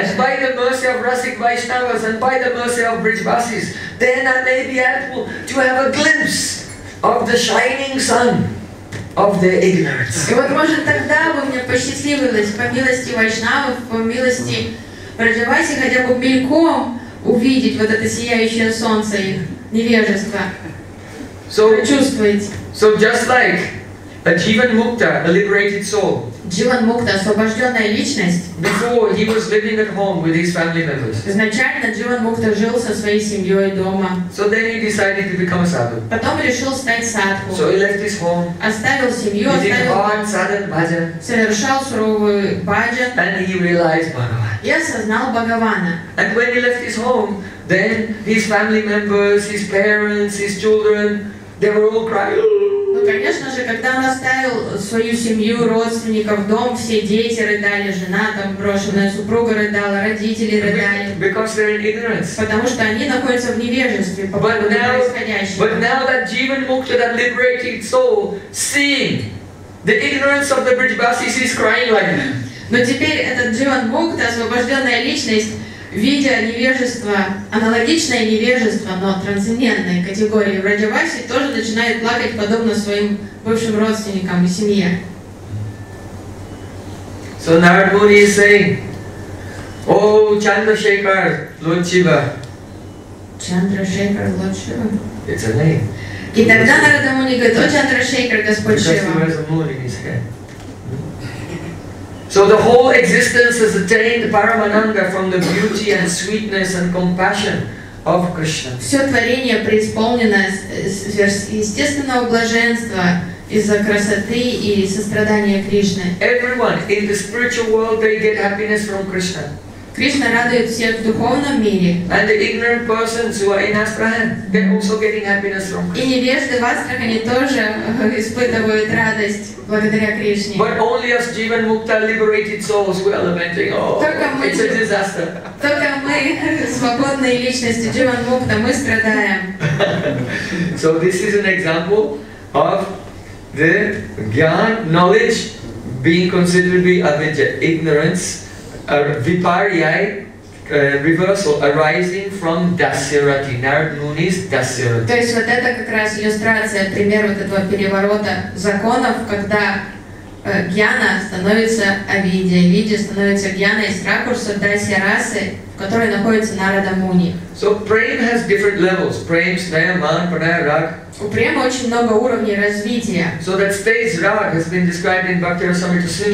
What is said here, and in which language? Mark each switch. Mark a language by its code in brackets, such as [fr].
[en] And by the mercy of Rasik Vaishnavas and by the mercy of Brijbasis, then I may be able to have a glimpse of the shining sun of their ignorance. [ru] И вот может тогда бы мне посчастливилось по милости Вайшнавов, по милости Брижбаси хотя бы мельком увидеть вот это сияющее солнце их невежества. [en] So just like a Jivan Mukta, a liberated soul. [ru] Jivan Mukta, освобожденная личность. [en] Before he was living at home with his family members. [ru] Изначально Jivan Mukta жил со своей семьей дома. [en] So then he decided to become a sadhu. [ru] Потом решил стать садху. [en] So he left his home. [ru] Оставил семью. [en] He did hard sadhan bhajan. [ru] Совершал суровый баджан. [en] And he realized Бхагаван. [ru] И осознал Бхагавана. [en] And when he left his home, then his family members, his parents, his children, they were all crying. [ru] Ну, конечно же, когда он оставил свою семью, родственников, дом, все дети рыдали, жена там брошенная, супруга рыдала, родители рыдали. [en] Because they're in ignorance. [ru] Потому что они находятся в невежестве по поводу происходящего. [en] But now that Jivan Mukta, that liberated soul, seeing the ignorance of the Brijabasis, he's crying like them. [ru] Но теперь этот Jivan Mukta, освобожденная личность, видя невежество, аналогичное невежество, но трансцендентной категории, Враджаваси тоже начинает плакать подобно своим бывшим родственникам и семье. [en] So Narad Muni is saying, О, Чандрашекар, Лорд Шива. [ru] Чандрашекар, Лорд Шива. [en] It's a name. [ru] И тогда Нарада Муни говорит, О, Чандрашекар, Господь Шива. [en] Because he wears a moon in his head. So the whole existence has attained Paramananda from the beauty and sweetness and compassion of Krishna. [ru] Все творение преисполнено естественного блаженства из-за красоты и сострадания Кришны. [en] Everyone in the spiritual world, they get happiness from Krishna. [ru] Кришна радует всех в духовном мире. [en] And the ignorant persons who are in Astrahan, they're also getting happiness from Krishna. [ru] И невежды в Астрахани тоже испытывают радость благодаря Кришне. [en] But only us Jivan Mukta liberated souls who are lamenting, it's a disaster. [ru] Только мы, свободные личности Jivan Mukta, мы страдаем. [en] So this is an example of the gyan, knowledge, being considerably avidya, ignorance, reversal arising from dasyarati, Narad Muni's dasyarati. [ru] То есть вот это как раз иллюстрация, пример вот этого переворота законов, когда гьяна становится авидья, авидья становится гьяной с ракурса дасьярасы, в которой находится Нарада Муни. [en] So Prem has different levels. Prem, Snaya, Man, Pranaya, Rag. [ru] У Према очень много уровней развития. [en] So that stage Rag has been described in Bhakti Rasamrita Sindhu.